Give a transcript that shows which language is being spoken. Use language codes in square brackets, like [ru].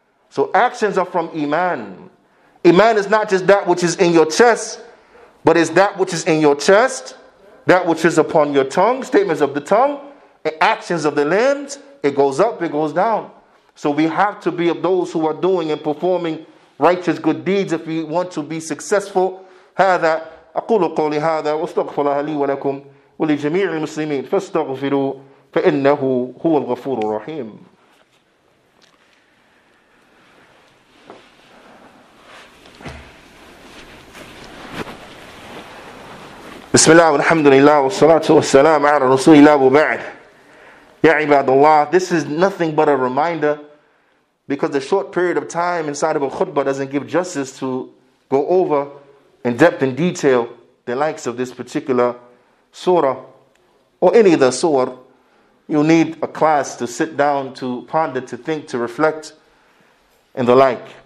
[en] So actions are from iman. Iman is not just that which is in your chest, but is that which is in your chest, that which is upon your tongue, statements of the tongue, and actions of the limbs. It goes up, it goes down. So we have to be of those who are doing and performing righteous good deeds if we want to be successful. [ar] هذا أقول قولي هذا واستغفر الله لي ولكم ولجميع المسلمين فاستغفروا فإنه هو الغفور الرحيم. بسم الله والحمد لله والصلاة والسلام على رسول الله وبعد. يا عباد الله, [en] this is nothing but a reminder. Because the short period of time inside of a khutbah doesn't give justice to go over in depth and detail the likes of this particular surah or any of the surah, you need a class to sit down, to ponder, to think, to reflect, and the like.